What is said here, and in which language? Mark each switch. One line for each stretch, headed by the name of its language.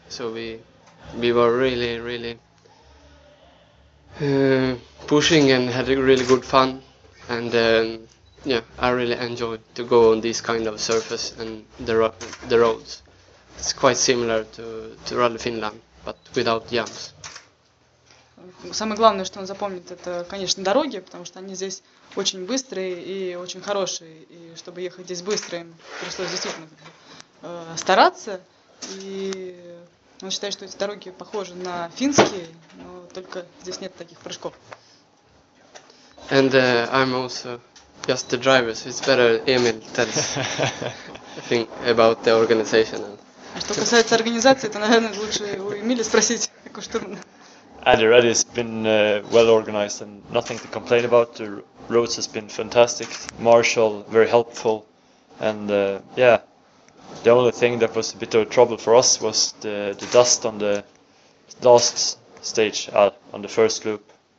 English: So we were really, really pushing and had a really good fun. And I really enjoyed to go on this kind of surface and the roads. It's quite similar to Rally Finland, but without jams.
Russian: Самое главное, что он запомнит, это, конечно, дороги, потому что они здесь очень быстрые и очень хорошие. И чтобы ехать здесь быстро, им пришлось действительно стараться. И он считает, что эти дороги похожи на финские, но только здесь нет таких прыжков.
English: And I'm also just the driver, so it's better Emil tells thing about the organization.
Russian: А что касается организации, это, наверное, лучше у Эмиля спросить, как у штурмана.
English: And the rally has been well organized and nothing to complain about. The roads has been fantastic. Marshall, very helpful. And the only thing that was a bit of a trouble for us was the dust on the last stage, on the first loop.